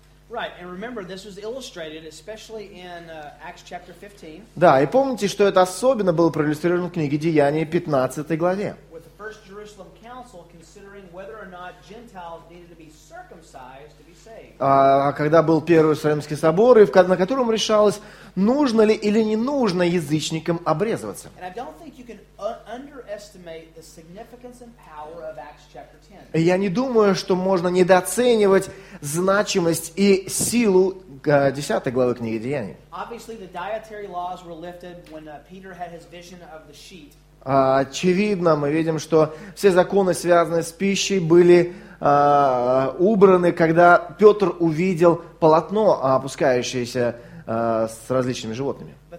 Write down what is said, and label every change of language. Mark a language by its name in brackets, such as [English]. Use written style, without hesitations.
[English] Right, and remember, this was illustrated, especially in Acts chapter 15. [Russian] Да, и помните, что это особенно было проиллюстрировано в книге Деяний 15 главе. [English] With the first Jerusalem council considering whether or not Gentiles needed to be circumcised to be saved. [Russian] Когда был первый Иерусалимский собор, и на котором решалось, нужно ли или не нужно язычникам обрезываться. [English] And I don't think you can underestimate the significance and power of Acts chapter 10. [Russian] Я не думаю, что можно недооценивать значимость и силу 10 главы книги Деяний. [English] Obviously, the dietary laws were lifted when Peter had his vision of the sheet. [Russian] Очевидно, мы видим, что все законы, связанные с пищей, были убраны, когда Петр увидел полотно, опускающееся с различными животными.